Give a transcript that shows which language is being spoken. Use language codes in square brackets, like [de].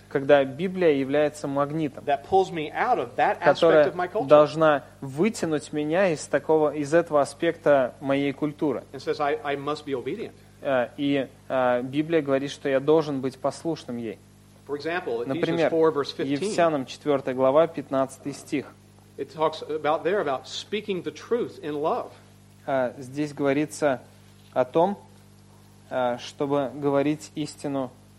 [ru] когда Библия является магнитом, [en] that pulls me out of that aspect [ru] которая [en] of my culture. [ru] Должна вытянуть меня из этого аспекта моей культуры. [en] And says, I must be obedient. [ru] Библия говорит, что я должен быть послушным ей. [en] For example, [ru] например, [en] Ephesians 4, verse 15. [ru] Ефесянам 4 глава, 15 стих. [en] It talks about there about speaking the truth in love. [ru] Здесь говорится о том, чтобы говорить истину.